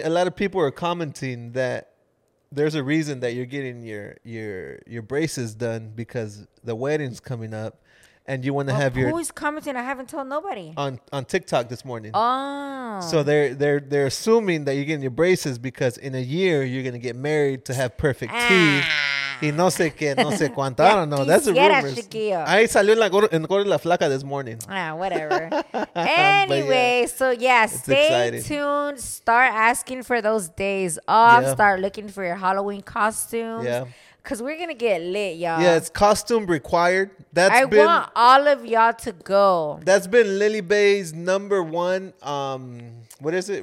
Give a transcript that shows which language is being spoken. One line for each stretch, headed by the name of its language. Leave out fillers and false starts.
English: A lot of people are commenting that there's a reason that you're getting your braces done because the wedding's coming up. And you want to have your... Who's commenting? I haven't told nobody. On TikTok this morning. Oh. So they're assuming that you're getting your braces because in a year, you're going to get married to have perfect teeth.
Spanish: Y no sé qué, no sé cuánto.
English: I don't know. That's a rumor.
Spanish: Ahí salió en la flaca
English: this morning. Ah, whatever. Anyway, stay tuned. Start asking for those days off. Yeah. Start looking for your Halloween costumes. Yeah. Because we're going to get lit, y'all. Yeah, it's costume required. I want all of y'all to go. That's been Lily Bae's number one, what is it?